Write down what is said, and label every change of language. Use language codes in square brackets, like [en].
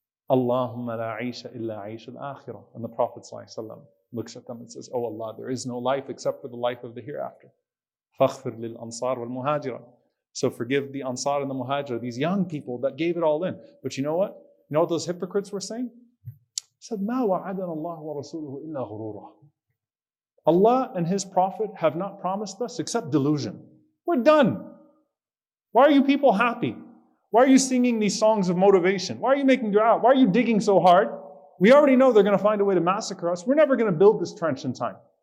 [ar] Allahumma la aisha illa aisha al-akhirah. [en] And the Prophet sallallahu alayhi wa sallam looks at them and says, oh Allah, there is no life except for the life of the hereafter. [ar] Faghfir lil Ansar wal Muhajira. [en] So forgive the Ansar and the Muhajira, these young people that gave it all in. But you know what? You know what those hypocrites were saying? Said, [ar] ما وعدنا الله ورسوله إلا غرورا. [en] Allah and His Prophet have not promised us except delusion. We're done. Why are you people happy? Why are you singing these songs of motivation? Why are you making dua? Why are you digging so hard? We already know they're going to find a way to massacre us. We're never going to build this trench in time.